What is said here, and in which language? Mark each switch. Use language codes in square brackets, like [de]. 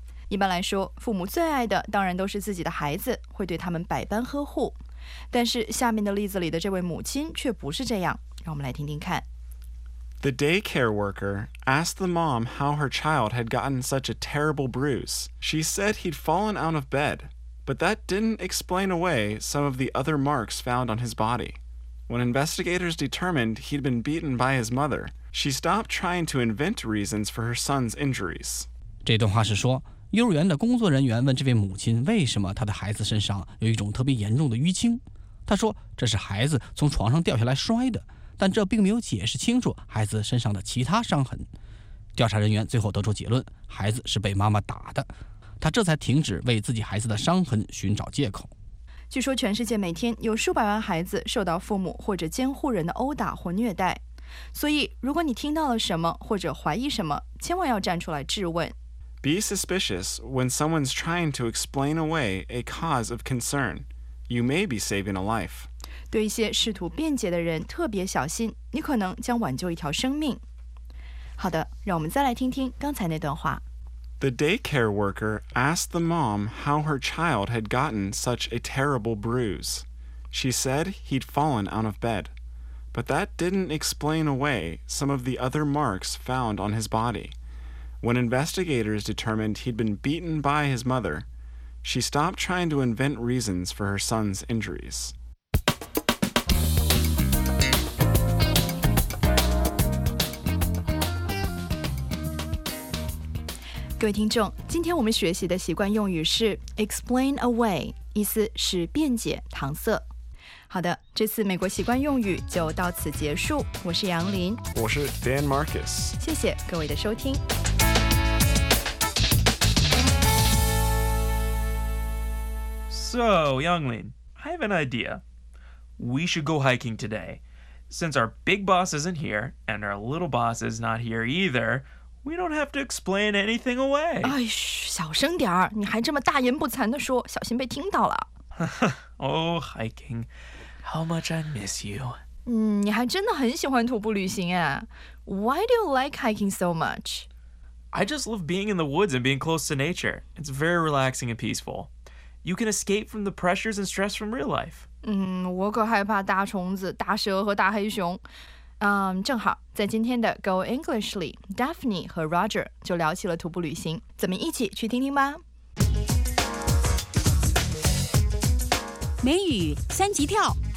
[zh] 一般来说，父母最爱的当然都是自己的孩子，会对他们百般呵护。但是下面的例子里的这位母亲却不是这样，让我们来听听看。 [en] The daycare worker asked the mom how her child had gotten such a terrible bruise. She said he'd fallen out of bed, but that didn't explain away some of the other marks found on his body. When investigators determined he'd been beaten by his mother, she stopped trying to invent reasons for her son's injuries. [zh] 这段话是说，幼儿园的工作人员问这位母亲为什么她的孩子身上有一种特别严重的淤青。她说，这是孩子从床上掉下来摔的。但这并没有解释清楚孩子身上的其他伤痕。调查人员最后得出结论，孩子是被妈妈打的。他这才停止为自己孩子的伤痕寻找借口。据说全世界每天有数百万孩子受到父母或者监护人的殴打或虐待。所以如果你听到了什么或者怀疑什么，千万要站出来质问。 [en] Be suspicious when someone's trying to explain away a cause of concern. You may be saving a life. [zh] 对一些试图辩解的人特别小心，你可能将挽救一条生命。好的，让我们再来听听刚才那段话。 [en] The daycare worker asked the mom how her child had gotten such a terrible bruise. She said he'd fallen out of bed. But that didn't explain away some of the other marks found on his body. When investigators determined he'd been beaten by his mother, she stopped trying to invent reasons for her son's injuries. [zh] 各位听众，今天我们学习的习惯用语是 explain away， 意思是辩解、搪塞。好的，这次美国习惯用语就到此结束。我是杨林，我是 Dan Marcus，谢谢各位的收听。 [en] So, Yang Lin, I have an idea. We should go hiking today. Since our big boss isn't here and our little boss is not here either. We don't have to explain anything away. [zh] 哎，小声点儿！你还这么大言不惭地说，小心被听到了。 [en] Oh, hiking. How much I miss you. [zh] 你还真的很喜欢徒步旅行啊。 [en] Why do you like hiking so much? I just love being in the woods and being close to nature. It's very relaxing and peaceful. You can escape from the pressures and stress from real life. [zh] 我可害怕大虫子、大蛇和大黑熊。正好在今天的 Go English 里 Daphne 和 Roger 就聊起了徒步旅行，咱们一起去听听吧。美语三级跳。